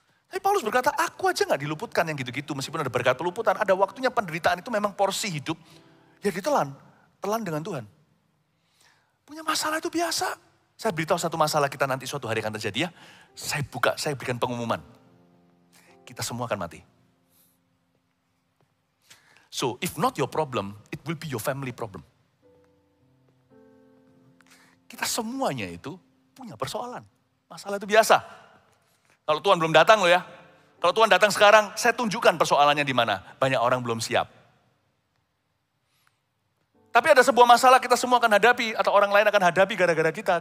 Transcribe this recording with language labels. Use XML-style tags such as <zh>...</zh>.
<id>Tapi Paulus berkata, aku aja gak diluputkan yang gitu-gitu, meskipun ada berkat peluputan, ada waktunya penderitaan itu memang porsi hidup. Ya ditelan, telan dengan Tuhan. Punya masalah itu biasa. Saya beritahu satu masalah kita nanti suatu hari akan terjadi ya. Saya buka, saya berikan pengumuman. Kita semua akan mati.</id> <en>So, if not your problem, it will be your family problem.</en> <id>Kita semuanya itu punya persoalan. Masalah itu biasa. Kalau Tuhan belum datang loh ya. Kalau Tuhan datang sekarang, saya tunjukkan persoalannya di mana. Banyak orang belum siap. Tapi ada sebuah masalah kita semua akan hadapi, atau orang lain akan hadapi gara-gara kita.</id>